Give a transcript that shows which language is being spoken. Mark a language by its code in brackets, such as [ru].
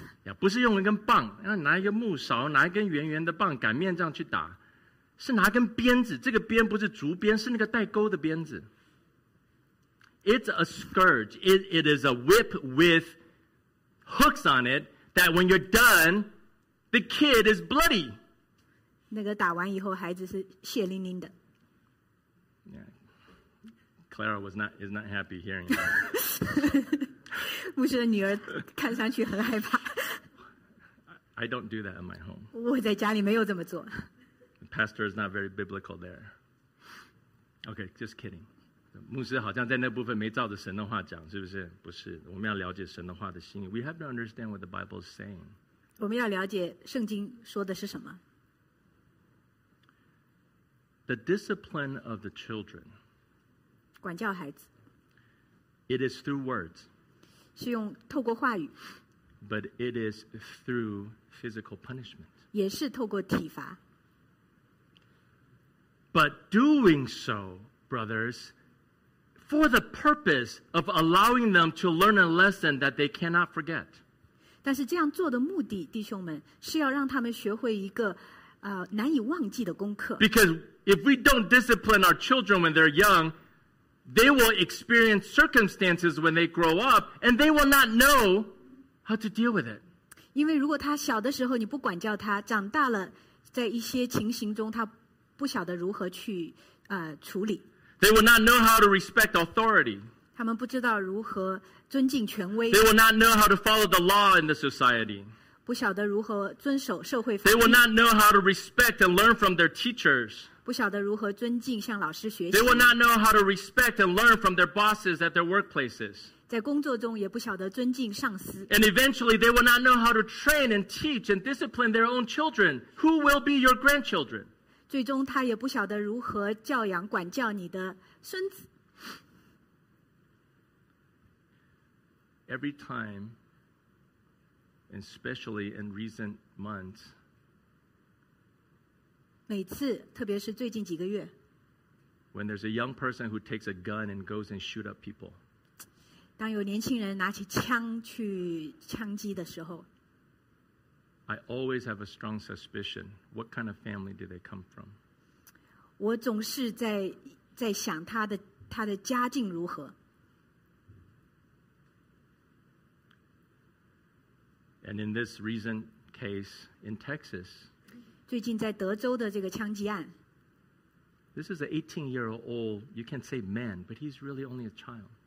[zh] Yeah, 不是用一根棒，拿一个木勺，拿一根圆圆的棒，擀面杖去打。是拿根鞭子，这个鞭不是竹鞭，是那个带钩的鞭子。 [en] It's a scourge. It is a whip with hooks on it that when you're done, the kid is bloody. [zh] 那个打完以后，孩子是血淋淋的。 [en] Clara was not, is not happy hearing [zh] that. 牧师的女儿看上去很害怕。 [en] I don't do that in my home. [zh] 我在家里没有这么做。 [en] The pastor is not very biblical there. Okay, just kidding. [zh] 牧师好像在那部分没照着神的话讲，是不是？不是，我们要了解神的话的心意。 [en] We have to understand what the Bible is saying. [zh] 我们要了解圣经说的是什么。 [en] The discipline of the children. [zh] 管教孩子。 [en] It is through words. [zh] 是用透过话语。 [en] But it is through physical punishment. [zh] 也是透过体罚。 [en] But doing so, brothers, for the purpose of allowing them to learn a lesson that they cannot forget. [zh] 但是这样做的目的，弟兄们，是要让他们学会一个难以忘记的功课。 [en] Because if we don't discipline our children when they're young,They will experience circumstances when they grow up, and they will not know how to deal with it. [zh] 因为如果他小的时候你不管教他，长大了，在一些情形中他不晓得如何去处理。 [en] They will not know how to respect authority. [zh] 他们不知道如何尊敬权威。 [en] They will not know how to follow the law in the society. [zh] 不晓得如何遵守社会法律。 [en] They will not know how to respect and learn from their teachers. [zh] 不晓得如何尊敬向老师学习。 [en] They will not know how to respect and learn from their bosses at their workplaces. [zh] 在工作中也不晓得尊敬上司。 [en] And eventually they will not know how to train and teach and discipline their own children. Who will be your grandchildren? [zh] 最终他也不晓得如何教养管教你的孙子。 [en] Every time, especially in recent months, [zh] 每次，特别是最近几个月。 [en] When there's a young person who takes a gun and goes and shoot up people. [zh] 当有年轻人拿起枪去枪击的时候。 [en] I always have a strong suspicion. What kind of family do they come from? [zh] 我总是在想他的家境如何。 [en] And in this recent case in Texas, [zh] 最近在德州的这个枪击案。 [en] This is an 18-year-old, you can say man, but he's really only a child.